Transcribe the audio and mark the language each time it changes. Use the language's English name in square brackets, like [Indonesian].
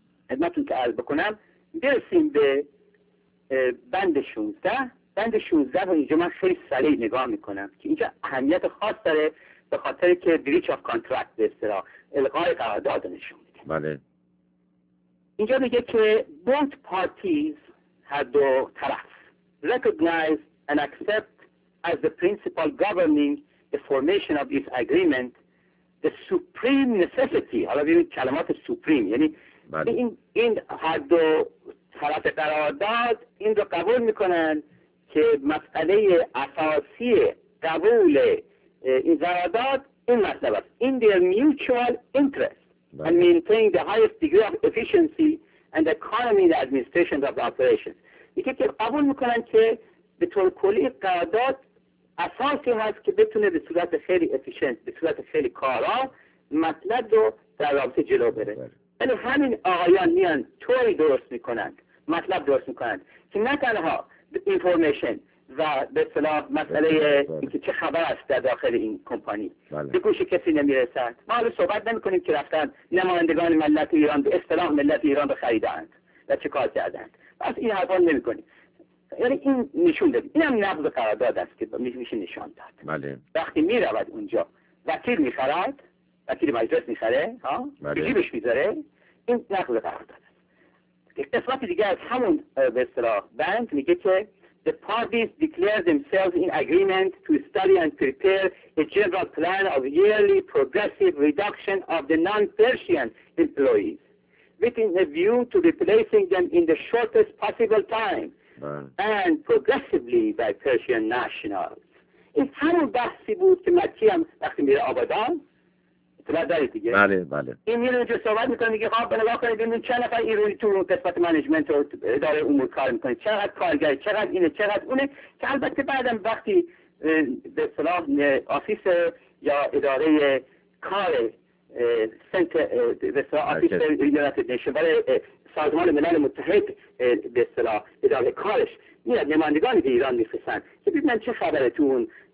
[Persian] خدمتتون که عرض بکنم برسیم به بند 16. بند 16 رو اینجا من خیلی سریع نگاه میکنم که اینجا اهمیت خاص داره به خاطر که بریچ آف کانترکت به اصطلاح الغای قرارداد نشون میده بله. اینجا میگه که [English] both parties [Persian] هر دو طرف [English] recognize and accept as the principle governing the formation of this agreement the supreme necessity. [Persian] حالا ببینید کلمات supreme یعنی بله. این هر دو طرف قرارداد این رو قبول میکنن که مسئله اساسی قبول این قرارداد این مسئله است. [English] In their mutual interest [Persian] بله. [English] and maintain the highest degree of efficiency and economy in the administration of the operations. [Persian] یکی که قبول میکنن که به طور کلی قرارداد اساسی هست که بتونه به صورت خیلی افیشنت، به صورت خیلی کارا مطلب رو در رابطه جلو بره. ولی همین آقایان میان طوری درست میکنن، مطلب درست میکنن که نه تنها اینفورمیشن و به اصطلاح مسئله اینکه چه خبر است در داخل این کمپانی بله. به گوش کسی نمیرسد. ما حالا صحبت نمیکنیم که رفتن نمایندگان ملت ایران به اصطلاح ملت ایران رو خریدند و چه کار کردند، بس این حرفا نمیکنیم. یعنی این نشون داد، اینم نقض قرارداد است که میشه نشان داد بله. وقتی میرود اونجا وکیل میخرد، وکیل مجلس میخره ها بله. جیبش میذاره، این نقض قرارداد. قسمت دیگه از همون به اصطلاح بند میگه که [English] The parties declare themselves in agreement to study and prepare a general plan of yearly progressive reduction of the non-Persian employees with a view to replacing them in the shortest possible time and progressively by Persian nationals. [Persian] این همون بحثی بود که مکی هم وقتی میره آبادان اطلاع دارید دیگه بله بله. این میره اونجا صحبت میکنه میگه خب نگاه کنید ببینید چند نفر ایرانی تو قسمت منیجمنت رو اداره امور کار میکنه، چقدر کارگر، چقدر اینه، چقدر اونه، که البته بعدم وقتی به اصطلاح آفیس یا اداره کار سنتر به اصطلاح آفیس یونایتد نیشن برای سازمان ملل متحد به اصطلاح اداره کارش میاد نمایندگانی به ایران میفرستن که ببینن چه خبره تو اون